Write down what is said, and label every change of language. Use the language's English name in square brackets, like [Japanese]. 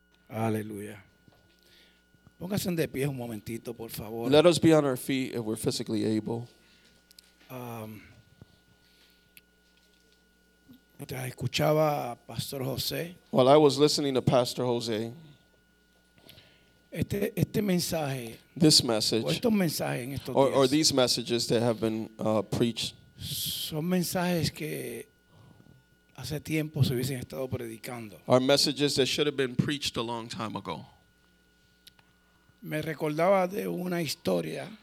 [Spanish] Aleluya. Pónganse de pie un momentito, por favor. [English] Let us be on our feet if we're physically able. [Spanish] Mientras escuchaba a Pastor José. [English] While I was listening to Pastor Jose. [Spanish] Este mensaje. [English] This message. [Spanish] O estos mensajes en estos días. [English] Or these messages that have been preached. [Spanish] Son mensajes que hace tiempo se hubiesen estado predicando. [English] Our messages that should have been preached a long time ago. [Spanish] Me recordaba de una historia.